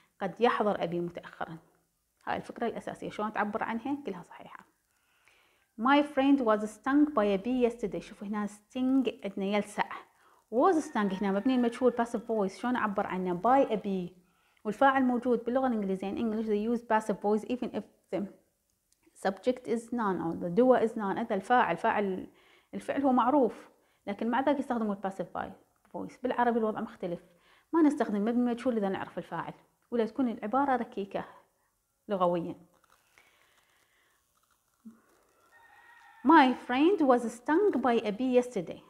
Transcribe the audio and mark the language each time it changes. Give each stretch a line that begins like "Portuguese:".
Arabic: قد يحضر أبي متأخرا. هاي الفكرة الأساسية شلون تعبر عنها كلها صحيحة.
English: My friend was stung by a bee yesterday.
Arabic: شوف هنا sting عندنا يلسع.
English: Was stung
Arabic: هنا مبني المجهول
English: passive voice.
Arabic: شلون اعبر عنه
English: by a bee؟
Arabic: والفاعل موجود باللغة الإنجليزية.
English: In English they use passive voice even if the subject is none or the doer is none.
Arabic: هذا الفاعل، فاعل الفعل هو معروف، لكن مع ذلك يستخدموا passive voice. بالعربي الوضع مختلف، ما نستخدم مبني المجهول إذا نعرف الفاعل، ولا تكون العبارة ركيكة لغويا.
English: My friend was stung by a bee yesterday.